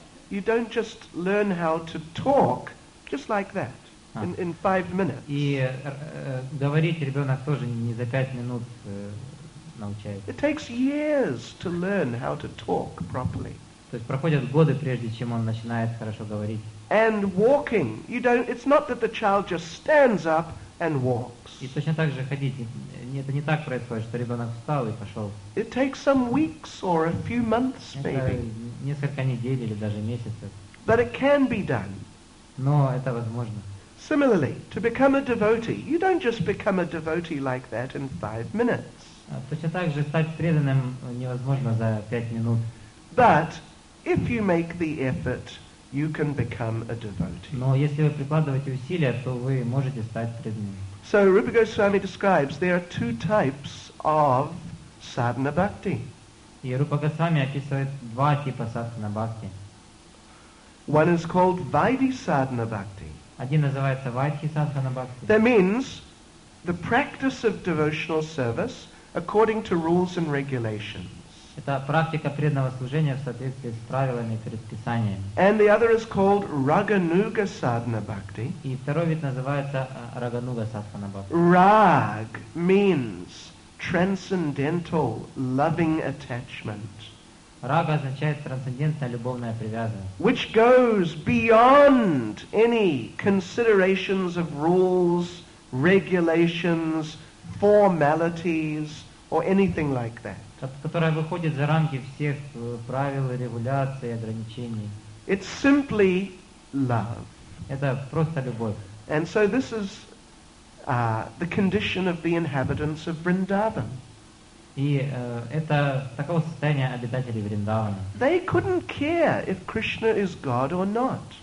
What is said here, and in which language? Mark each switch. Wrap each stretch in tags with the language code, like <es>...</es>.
<en>you don't just learn how to talk just like that in 5 minutes.</en> <ru>И говорить ребенок тоже не за 5 минут научается.</ru> <en>It takes years to learn how to talk properly.</en> <ru>То есть проходят годы, прежде чем он начинает хорошо говорить.</ru> <en>And walking, you don't. It's not that the child just stands up and walks.</en> <ru>И точно так же ходить. Это не так происходит, что ребенок встал и пошел.</ru> <en>It takes some weeks or a few months, maybe.</en> <ru>Несколько недель или даже месяцев.</ru> <en>But it can be done.</en> <ru>Но это возможно.</ru> <en>Similarly, to become a devotee, you don't just become a devotee like that in 5 minutes.</en> <ru>Точно так же стать преданным невозможно за 5 минут.</ru> <en>But if you make the effort, you can become a devotee.</en> <ru>Но если вы прикладываете усилия, то вы можете стать преданным.</ru> <en>So Rupa Goswami describes there are two types of sadhana bhakti.</en> <ru>И Рупа Госвами описывает два типа садхана бхакти.</ru> <en>One is called Vaidhi Sadhana Bhakti.</en> <ru>Один называется Vaidhi Sadhana Bhakti.</ru> <en>That means the practice of devotional service according to rules and regulations.</en> <ru>Это практика преданного служения в соответствии с правилами и предписаниями.</ru> <en>And the other is called Raganuga Sadhana Bhakti.</en> <ru>И второй вид называется Рагануга Садхана Бхакти.</ru> <en>Rag means transcendental loving attachment.</en> <ru>Рага означает трансцендентная любовная привязанность.</ru> <en>Which goes beyond any considerations of rules, regulations, formalities, or anything like that.</en> <ru>Которая выходит за рамки всех правил, регуляций, ограничений.</ru> <en>It's simply love.</en> <ru>Это просто любовь.</ru> <en>And so this is the condition of the inhabitants of Vrindavan.</en> <ru>И это такое состояние обитателей Вриндавана.</ru> <en>They couldn't care if Krishna is God or not.</en>